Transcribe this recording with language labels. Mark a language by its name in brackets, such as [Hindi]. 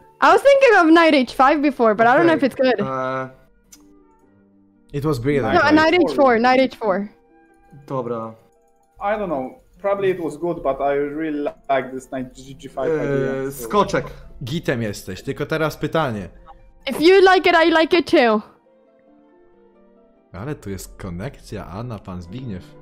[English] I was thinking of knight h5 before, but okay. I don't know if it's good. It was brilliant. No, knight h4, knight h4. [Polish] Dobra. [English] I don't know. Probably it was good, but I really like this knight g5 idea. [Polish] Skoczek. Gitem jesteś, tylko teraz pytanie. [English] If you like it, I like it too. [Polish] Ale tu jest konekcja, Anna, pan Zbigniew.